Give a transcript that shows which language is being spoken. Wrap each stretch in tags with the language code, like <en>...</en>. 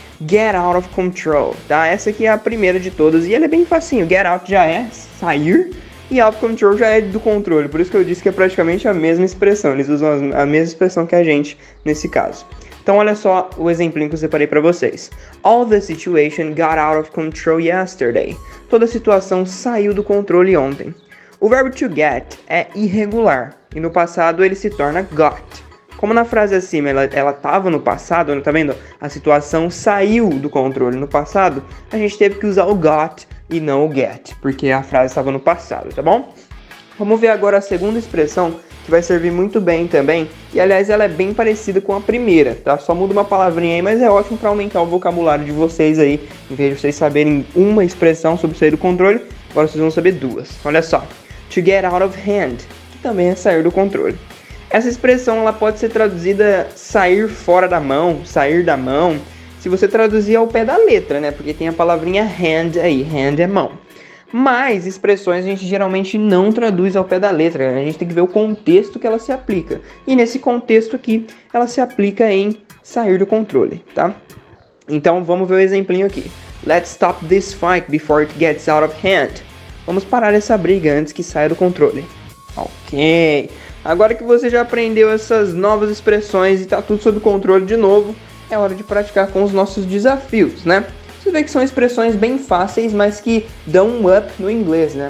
<pt>Get out of control, tá? Essa aqui é a primeira de todas e ela é bem facinho. Get out já é sair e out of control já é do controle. Por isso que eu disse que é praticamente a mesma expressão. Eles usam a mesma expressão que a gente nesse caso. Então olha só o exemplinho que eu separei pra vocês.</pt> <en>All the situation got out of control yesterday.</en> <pt>Toda a situação saiu do controle ontem. O verbo to get é irregular e no passado ele se torna got. Como na frase acima ela estava no passado, tá vendo? A situação saiu do controle no passado, a gente teve que usar o got e não o get, porque a frase estava no passado, tá bom? Vamos ver agora a segunda expressão, que vai servir muito bem também, e aliás ela é bem parecida com a primeira, tá? Só muda uma palavrinha aí, mas é ótimo para aumentar o vocabulário de vocês aí, em vez de vocês saberem uma expressão sobre sair do controle, agora vocês vão saber duas. Olha só, to get out of hand, que também é sair do controle. Essa expressão ela pode ser traduzida sair fora da mão, sair da mão, se você traduzir ao pé da letra, né? Porque tem a palavrinha hand aí, hand é mão. Mas expressões a gente geralmente não traduz ao pé da letra, a gente tem que ver o contexto que ela se aplica. E nesse contexto aqui, ela se aplica em sair do controle, tá? Então vamos ver o exemplinho aqui.</pt> <en>Let's stop this fight before it gets out of hand.</en> <pt>Vamos parar essa briga antes que saia do controle. Ok. Agora que você já aprendeu essas novas expressões e tá tudo sob controle de novo, é hora de praticar com os nossos desafios, né? Você vê que são expressões bem fáceis, mas que dão um up no inglês, né?</pt>